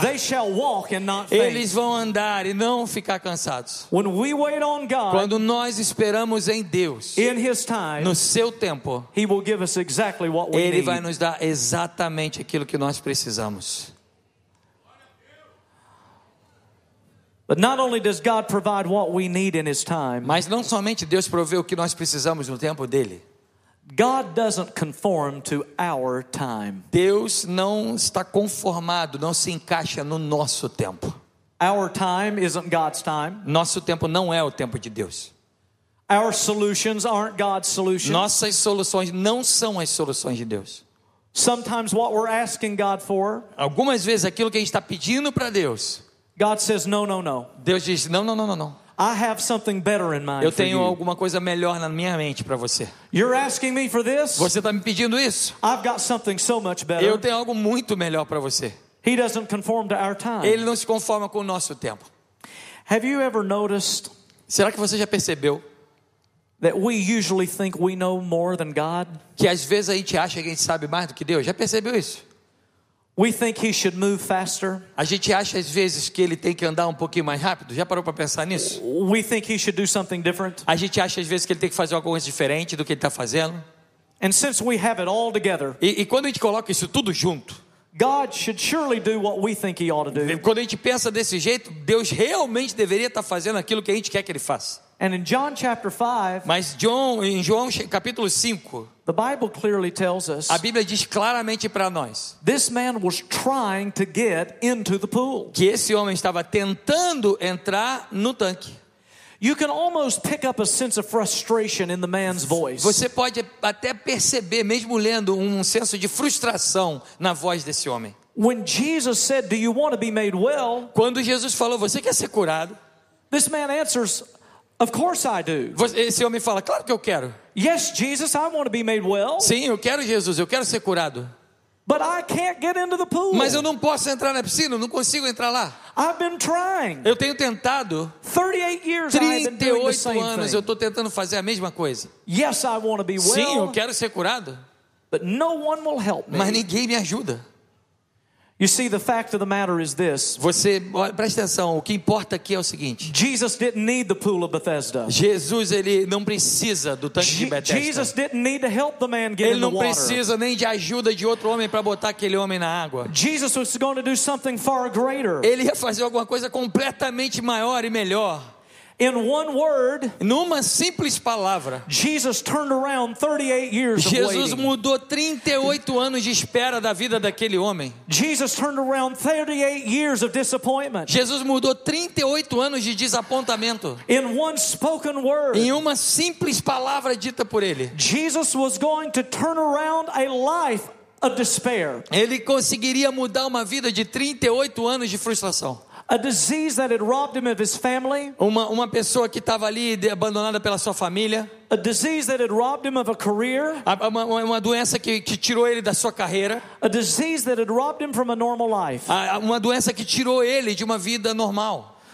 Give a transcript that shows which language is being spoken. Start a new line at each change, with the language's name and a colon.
English: They shall walk and not faint.
Portuguese: Eles vão andar e não ficar cansados.
English: When we wait on God.
Portuguese: Quando nós esperamos em Deus.
English: In His time.
Portuguese: No seu tempo.
English: He will give us exactly
Portuguese: Ele vai nos dar exatamente aquilo que nós precisamos.
English: But not only does God provide what we need in His time.
Portuguese: Mas não somente Deus provê o que nós precisamos no tempo dele.
English: God doesn't conform to our time.
Portuguese: Deus não está conformado, não se encaixa no nosso tempo.
English: Our time isn't God's time.
Portuguese: Nosso tempo não é o tempo de Deus.
English: Our solutions aren't God's solutions.
Portuguese: Nossas soluções não são as soluções de Deus.
English: Sometimes what we're asking God for.
Portuguese: Algumas vezes aquilo que a gente está pedindo para Deus.
English: God says no, no, no.
Portuguese: Deus diz não, não, não, não, não.
English: I have something better in mind.
Portuguese: Eu tenho alguma coisa melhor na minha mente para você.
English: You're asking me for this.
Portuguese: Você está me pedindo isso.
English: I've got something so much better.
Portuguese: Eu tenho algo muito melhor para você.
English: He doesn't conform to our time.
Portuguese: Ele não se conforma com o nosso tempo.
English: Have you ever noticed?
Portuguese: Será que você já percebeu?
English: That we usually think we know more than God.
Portuguese: Que às vezes a gente acha que a gente sabe mais do que Deus. Já percebeu isso?
English: We think He should move faster.
Portuguese: A gente acha às vezes que Ele tem que andar um pouquinho mais rápido. Já parou para pensar nisso?
English: We think He should do something different.
Portuguese: A gente acha às vezes que Ele tem que fazer alguma coisa diferente do que Ele está fazendo.
English: And since we have it all together.
Portuguese: E quando a gente coloca isso tudo junto.
English: God should surely do what we think he ought to do.
Portuguese: Quando a gente pensa desse jeito, Deus realmente deveria estar fazendo aquilo que a gente quer que ele faça.
English: And in John chapter 5,
Portuguese: mas em João capítulo 5,
English: the Bible clearly tells us,
Portuguese: a Bíblia diz claramente para nós,
English: this man was trying to get into the pool.
Portuguese: Que esse homem estava tentando entrar no tanque.
English: You can almost pick up a sense of frustration in the man's voice.
Portuguese: Você pode até perceber, mesmo lendo, um senso de frustração na voz desse homem.
English: When Jesus said, "Do you want to be made well?"
Portuguese: Quando Jesus falou, "Você quer ser curado?"
English: This man answers, "Of course I do."
Portuguese: Esse homem fala, "Claro que eu quero."
English: "Yes, Jesus, I want to be made well."
Portuguese: Sim, eu quero, Jesus, eu quero ser curado.
English: "But I can't get into the pool."
Portuguese: Mas eu não posso entrar na piscina, eu não consigo entrar lá.
English: "I've been trying."
Portuguese: Eu tenho tentado.
English: 38 years I've been doing the same thing.
Portuguese: 38 anos eu estou tentando fazer a mesma coisa.
English: "Yes, I want to be well."
Portuguese: Sim, eu quero ser curado.
English: "But no one will help me."
Portuguese: Mas ninguém me ajuda.
English: You see, the fact of the matter is this.
Portuguese: Você, preste atenção, o que importa aqui é o seguinte.
English: Jesus didn't need the pool of Bethesda.
Portuguese: Jesus, ele não precisa do tanque de Bethesda.
English: Jesus didn't need to help the man get in the water.
Portuguese: Ele não precisa nem de ajuda de outro homem para botar aquele homem na água.
English: Jesus was going to do something far greater.
Portuguese: Ele ia fazer alguma coisa completamente maior e melhor.
English: In one word,
Portuguese: numa simples palavra,
English: Jesus turned around 38 years of waiting.
Portuguese: Jesus mudou 38 anos de espera da vida daquele homem.
English: Jesus turned around 38 years of disappointment.
Portuguese: Jesus mudou 38 anos de desapontamento.
English: In one spoken word,
Portuguese: em uma simples palavra dita por ele,
English: Jesus was going to turn around a life of despair.
Portuguese: Ele conseguiria mudar uma vida de 38 anos de frustração.
English: A disease that had robbed him of his family.
Portuguese: Uma pessoa que estava ali abandonada pela sua família.
English: A disease that had robbed him of a career.
Portuguese: Uma doença que tirou ele da sua carreira.
English: A disease that had robbed him from a normal life.
Portuguese: Uma doença que tirou ele de uma vida normal.